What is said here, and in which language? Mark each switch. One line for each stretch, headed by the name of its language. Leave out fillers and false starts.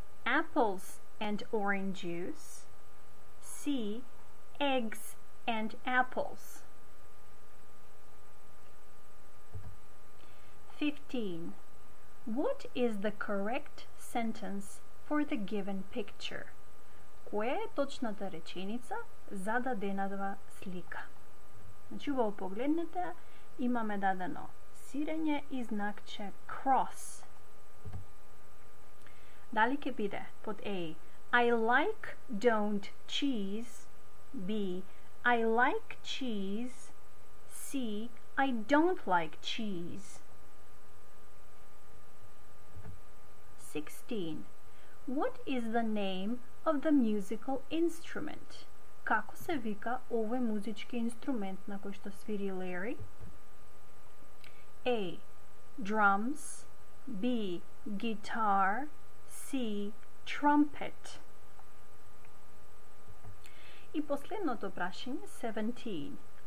English: Apples and orange juice. C. Eggs and apples. 15. What is the correct sentence for the given picture?
Macedonian: Која е точната реченица за дадената слика? Значи, во погледнете, имаме дадено сирење и знакче cross. Дали ке биде под A.
English: I like don't cheese. B. I like cheese. C. I don't like cheese. 16. What is the name of the musical instrument?
Macedonian: Како се вика овој музички инструмент на кој што свири Лери?
English: A. Drums. B. Guitar. C. Trumpet.
Macedonian: И последното прашање, 17.